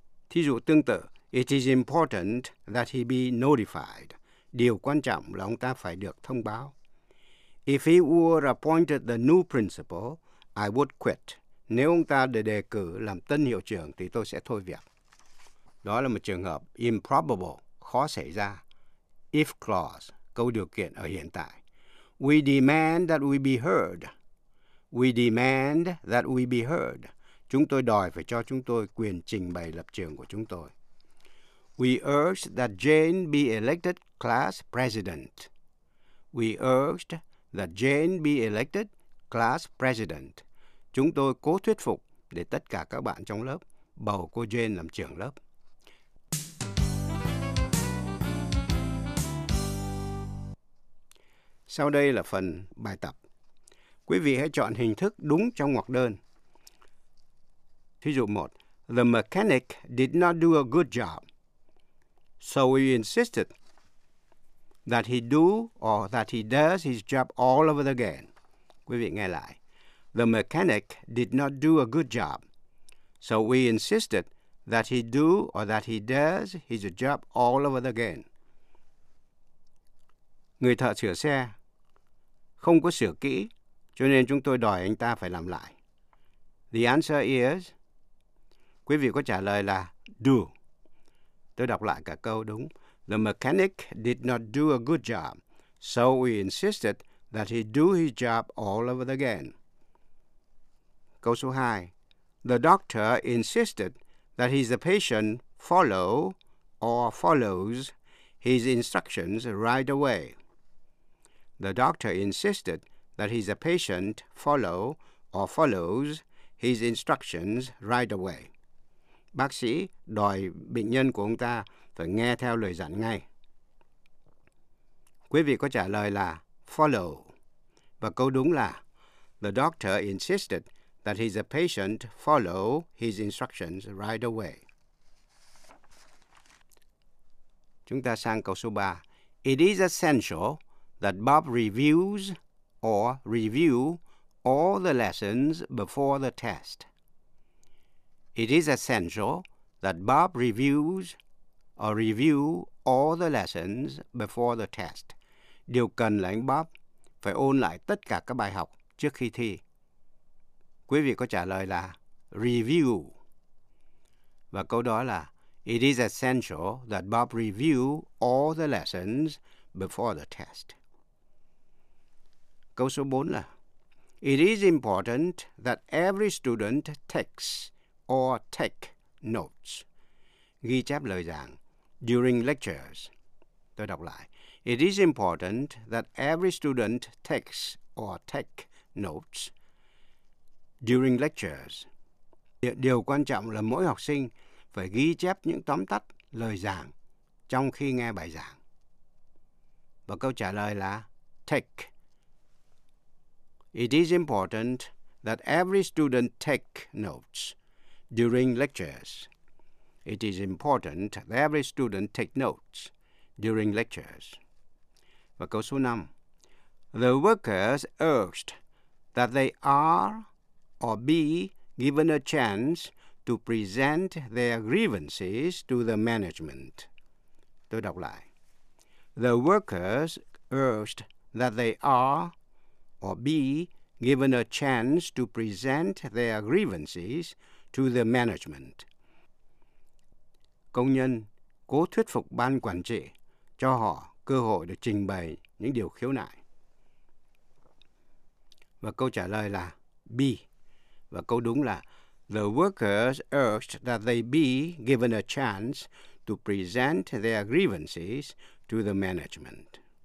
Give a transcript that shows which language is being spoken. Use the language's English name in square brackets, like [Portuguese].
[Vietnamese] Thí dụ tương tự, [English] it is important that he be notified. [Vietnamese] Điều quan trọng là ông ta phải được thông báo. [English] If he were appointed the new principal, I would quit. [Vietnamese] Nếu ông ta được đề cử làm tân hiệu trưởng thì tôi sẽ thôi việc. Đó là một trường hợp improbable, khó xảy ra. If clause, câu điều kiện ở hiện tại. [English] We demand that we be heard. We demand that we be heard. [Vietnamese] Chúng tôi đòi phải cho chúng tôi quyền trình bày lập trường của chúng tôi. [English] We urged that Jane be elected class president. We urged that Jane be elected class president. [Vietnamese] Chúng tôi cố thuyết phục để tất cả các bạn trong lớp bầu cô Jane làm trưởng lớp. Sau đây là phần bài tập. Quý vị hãy chọn hình thức đúng trong ngoặc đơn. Thí dụ một, [English] the mechanic did not do a good job. So we insisted that he do or that he does his job all over again. [Vietnamese] Quý vị nghe lại. [English] The mechanic did not do a good job. So we insisted that he do or that he does his job all over again. [Vietnamese] Người thợ sửa xe không có sửa kỹ, cho nên chúng tôi đòi anh ta phải làm lại. [English] The answer is, [Vietnamese] quý vị có trả lời là do. Tôi đọc lại cả câu đúng. [English] The mechanic did not do a good job, so we insisted that he do his job all over again. [Vietnamese] Câu số 2. [English] The doctor insisted that his patient follow or follows his instructions right away. The doctor insisted that his patient follow or follows his instructions right away. [Vietnamese] Bác sĩ đòi bệnh nhân của ông ta phải nghe theo lời dặn ngay. Quý vị có trả lời là follow. Và câu đúng là [English] the doctor insisted that his patient follow his instructions right away. [Vietnamese] Chúng ta sang câu số 3. [English] It is essential that Bob reviews or review all the lessons before the test. It is essential that Bob reviews or review all the lessons before the test. [Vietnamese] Điều cần là anh Bob phải ôn lại tất cả các bài học trước khi thi. Quý vị có trả lời là review. Và câu đó là [English] it is essential that Bob review all the lessons before the test. [Vietnamese] Câu số 4 là [English] it is important that every student takes or take notes. [Vietnamese] Ghi chép lời giảng [English] during lectures. [Vietnamese] Tôi đọc lại. [English] It is important that every student takes or take notes during lectures. [Vietnamese] Điều quan trọng là mỗi học sinh phải ghi chép những tóm tắt lời giảng trong khi nghe bài giảng. Và câu trả lời là take. [English] It is important that every student take notes during lectures. It is important that every student take notes during lectures. [Vietnamese] Và câu số 5. [English] The workers urged that they are or be given a chance to present their grievances to the management. [Vietnamese] Tôi đọc lại. [English] The workers urged that they are or be given a chance to present their grievances to the management. [Vietnamese] Công nhân cố thuyết phục ban quản trị cho họ cơ hội được trình bày những điều khiếu nại. Và câu trả lời là B. Và câu đúng là [English] the workers urged that they be given a chance to present their grievances to the management.